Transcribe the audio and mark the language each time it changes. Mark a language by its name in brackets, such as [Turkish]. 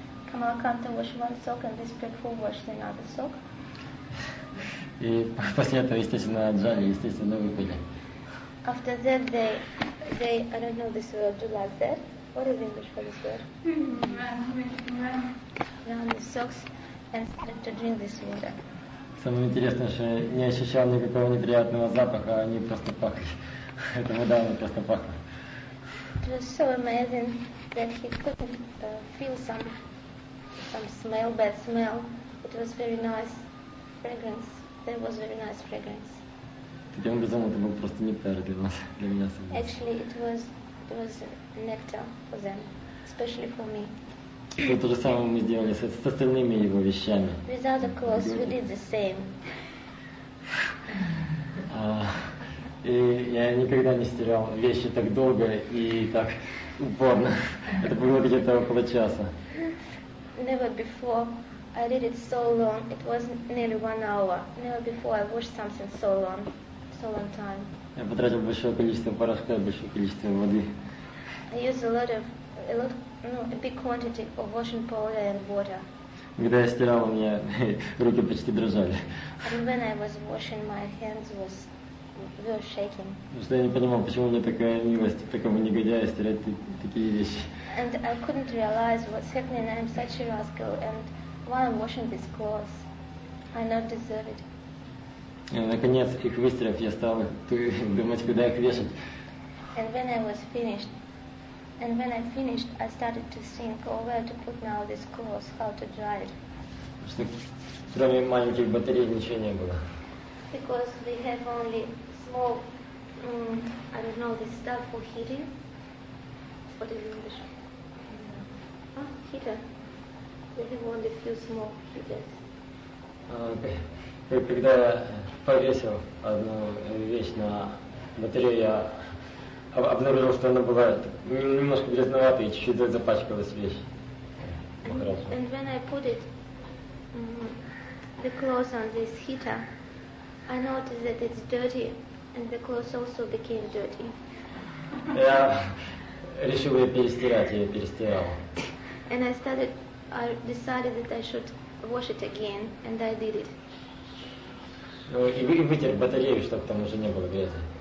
[English] Kamalakanta wash one sock, and this Prabhu wash another sock. [Russian] И после этого, естественно, отжали, естественно, выпили. [English] After that, they I don't know this word. Do you like that? What is English for this word? Run the socks and start to drink this water. [Russian] Самое интересное, что я не ощущал никакого неприятного запаха, они просто пахли. Это вода, она просто пахла. [English] It was so amazing that he couldn't feel some smell, bad smell. It was very nice fragrance. There was very nice fragrance. [Russian] Таким образом, это был просто нектар для меня самого. [English] Actually, it was nectar for them, especially for me. [Russian] И то же самое мы сделали с остальными его вещами. [English] With other clothes, we did the same. [Russian] И я никогда не стирал вещи так долго и так упорно. Это было где-то около часа. [English] Never before I did it so long. It was nearly one hour. Never before I washed something so long time. [Russian] Я потратил большое количество порошка, большое количество воды. [English] I used a lot a big quantity of washing powder and water. [Russian] Когда я стирал, у меня руки почти дрожали. [English] And when I was washing, my hands was were shaking. [Russian] Что я не понимал, почему у меня такая милость, такого негодяя стирать такие вещи. [English] And I couldn't realize what's happening. I'm such a rascal, and why I'm washing these clothes? I don't deserve it. [Russian] Наконец, их выстирав, я стал думать, куда их вешать. [English] And when I was finished. And when I finished, I started to think, oh, where to put now this clothes, how to dry it. [Russian] Кроме маленьких батарей ничего не было. [English] Because we have only small, I don't know, this stuff for heating. What is English? Heater. We have only few small heaters. Okay. [Russian] Когда я повесил одну вещь на батарею, я обнаружил, что она была немножко грязноватая и чуть-чуть запачкалась вещь. [English] And when I put it, the clothes on this heater, I noticed that it's dirty, and the clothes also became dirty. [Russian] Я решил ее перестирать, я перестирал. [English] And I decided that I should wash it again, and I did it. [Russian] И вытер батарею, чтобы там уже не было грязи.